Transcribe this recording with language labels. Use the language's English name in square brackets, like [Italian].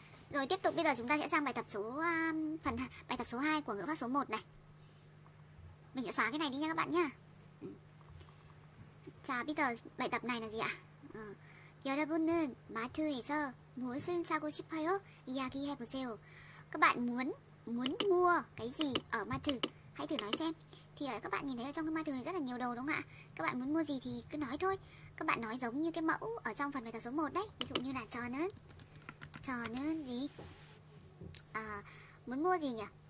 [Vietnamese] Rồi tiếp tục, bây giờ chúng ta sẽ sang bài tập số 2 của ngữ pháp số 1 này. Mình sẽ xóa cái này đi nha các bạn nhá. Chà, bây giờ bài tập này là gì ạ? [Korean] 여러분은 마트에서 무엇을 사고 싶어요? 이야기해 보세요. [Vietnamese] Các bạn muốn mua cái gì ở 마트? Hãy thử nói xem. Thì các bạn nhìn thấy ở trong cái 마트 này rất là nhiều đồ đúng không ạ? Các bạn muốn mua gì thì cứ nói thôi. Các bạn nói giống như cái mẫu ở trong phần bài tập số 1 đấy. Ví dụ như là 저는 gì? Muốn mua gì nhỉ?